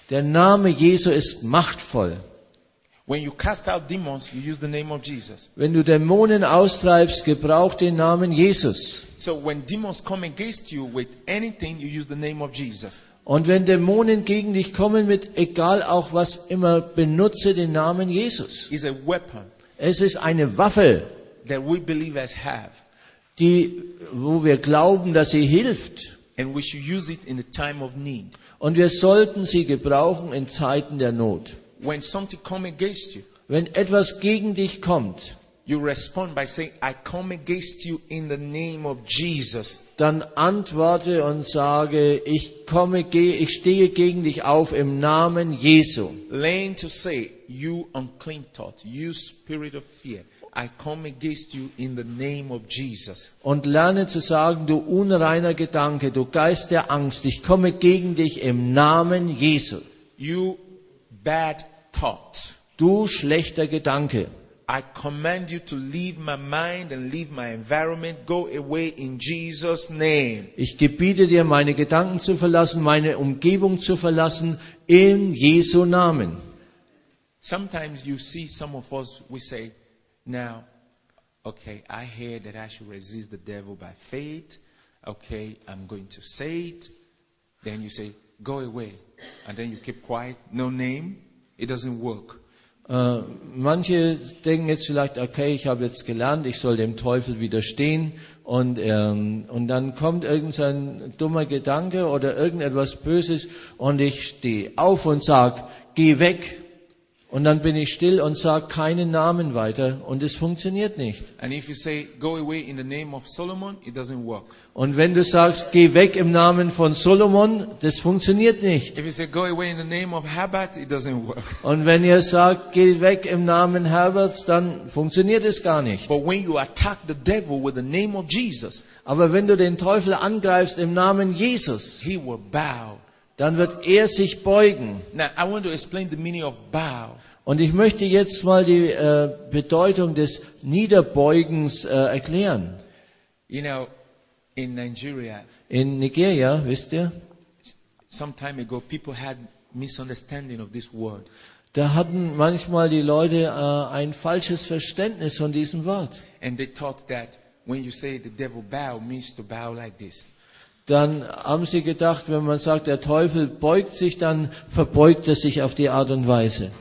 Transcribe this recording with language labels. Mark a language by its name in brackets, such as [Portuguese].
[German] Der Name Jesu ist machtvoll. [English] When you cast out demons, you use the name of Jesus. [German] Wenn du Dämonen austreibst, gebrauch den Namen Jesus. [English] So when demons come against you with anything, you use the name of Jesus. [German] Und wenn Dämonen gegen dich kommen, mit egal auch was immer, benutze den Namen Jesus. [English] It's a weapon. [German] Es ist eine Waffe, [English] that we believers have. [German] Die, wo wir glauben, dass sie hilft. [English] And we should use it in the time of need. [German] Und wir sollten sie gebrauchen in Zeiten der Not. [English] When something comes against you, [German] wenn etwas gegen dich kommt, [English] you respond by saying, I come against you in the name of Jesus. [German] Dann antworte und sage, ich stehe gegen dich auf im Namen Jesu. [English] Learn to say, you unclean thought, you spirit of fear, I come against you in the name of Jesus. [German] Und lerne zu sagen, du unreiner Gedanke, du Geist der Angst, ich komme gegen dich im Namen Jesu. [English] You bad thought. [German] Du schlechter Gedanke. [English] I command you to leave my mind and leave my environment. Go away in Jesus' name. [German] Ich gebiete dir, meine Gedanken zu verlassen, meine Umgebung zu verlassen, in Jesu Namen. [English] Sometimes you see some of us, we say, now, okay, I hear that I should resist the devil by faith. Okay, I'm going to say it. Then you say, go away. And then you keep quiet, no name. It doesn't work. [German] Manche denken jetzt vielleicht, okay, ich habe jetzt gelernt, ich soll dem Teufel widerstehen. Und dann kommt irgendein dummer Gedanke oder irgendetwas Böses und ich stehe auf und sage, geh weg. Und dann bin ich still und sage keinen Namen weiter und es funktioniert nicht. Und wenn du sagst, geh weg im Namen von Solomon, das funktioniert nicht. Und wenn ihr sagt, geh weg im Namen Herberts, dann funktioniert es gar nicht. Aber wenn du den Teufel angreifst im Namen Jesus, er wird dann wird er sich beugen. [English] Now, I want to explain the meaning of bow. [German] Und ich möchte jetzt mal die Bedeutung des Niederbeugens erklären. [English] You know, in Nigeria, [German] wisst ihr? [English] Some time ago, people had misunderstanding of this word. [German] Da hatten manchmal die Leute ein falsches Verständnis von diesem Wort. [English] And they thought that when you say the devil bow means to bow like this. [German] Dann haben sie gedacht, wenn man sagt, der Teufel beugt sich, dann verbeugt er sich auf die Art und Weise.